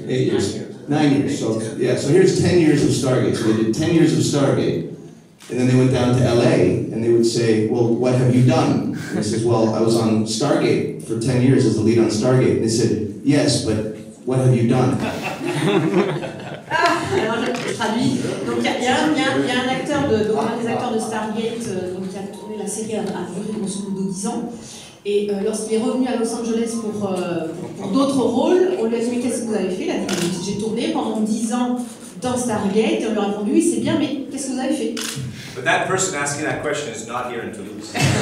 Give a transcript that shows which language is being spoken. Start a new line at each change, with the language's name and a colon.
English: 8 years. 9 years. So, yeah, so here's 10 years of Stargate. So they did 10 years of Stargate, and then they went down to LA, and they would say, well, what have you done? And he says, well, I was on Stargate for 10 years as the lead on Stargate. And they said, yes, but what have you done?
French: Donc il y a un acteur de un des acteurs de Stargate qui a tourné la série à grosso modo 10 ans. Et lorsqu'il est revenu à Los Angeles pour d'autres rôles, on lui a dit mais qu'est-ce que vous avez fait? Il a dit j'ai tourné pendant 10 ans dans Stargate. Et on lui a répondu oui c'est bien mais qu'est-ce que vous avez fait?
English: But that person asking that question is not here in Toulouse.